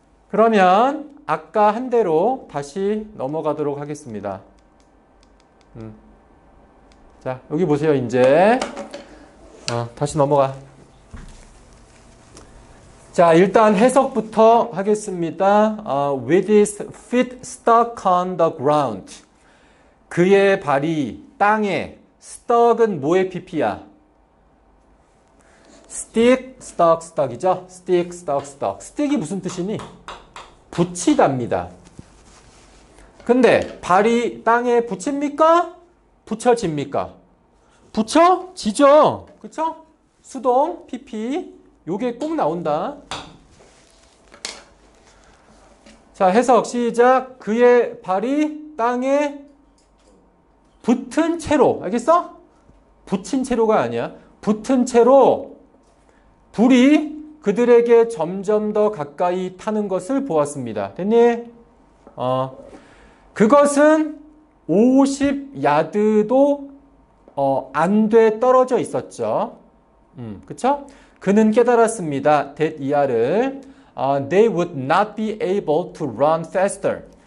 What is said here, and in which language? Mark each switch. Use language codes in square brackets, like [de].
[ko] 그러면 아까 한 대로 다시 넘어가도록 하겠습니다. 자, 여기 보세요. 이제. 다시 넘어가. 자, 일단 해석부터 하겠습니다. [en] With his feet stuck on the ground. [ko] 그의 발이 땅에. Stuck은 뭐의 PP야? [en] Stick, stuck, stuck이죠? Stick, stuck, stuck. [ko] Stick이 무슨 뜻이니? 붙이답니다. 근데 발이 땅에 붙입니까? 붙여집니까? 붙여지죠? 그쵸? 수동, PP. 요게 꼭 나온다. 자, 해석 시작. 그의 발이 땅에 붙은 채로. 알겠어? 붙인 채로가 아니야. 붙은 채로 불이 그들에게 점점 더 가까이 타는 것을 보았습니다. 됐니? 그것은 50야드도 안돼 떨어져 있었죠. 그쵸? 그는 깨달았습니다. 됐이하를. [en] They would not be able to run faster.